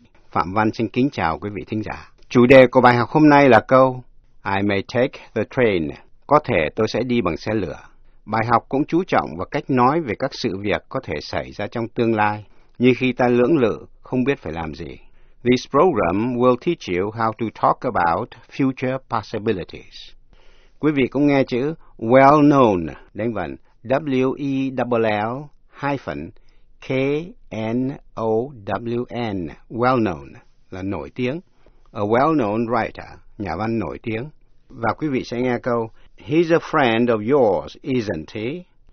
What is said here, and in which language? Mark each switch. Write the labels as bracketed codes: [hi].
[vi] Phạm Văn xin kính chào quý vị thính giả. Chủ đề của bài học hôm nay là câu [en] I may take the train. [vi] Có thể tôi sẽ đi bằng xe lửa. Bài học cũng chú trọng vào cách nói về các sự việc có thể xảy ra trong tương lai, như khi ta lưỡng lự, không biết phải làm gì. [en] This program will teach you how to talk about future possibilities. [vi] Quý vị cũng nghe chữ well known, đánh vần WELL-KNOWN, well known, là nổi tiếng. [en] A well known writer, [vi] nhà văn nổi tiếng. Và quý vị sẽ nghe câu, [en] he's a friend of yours, isn't he?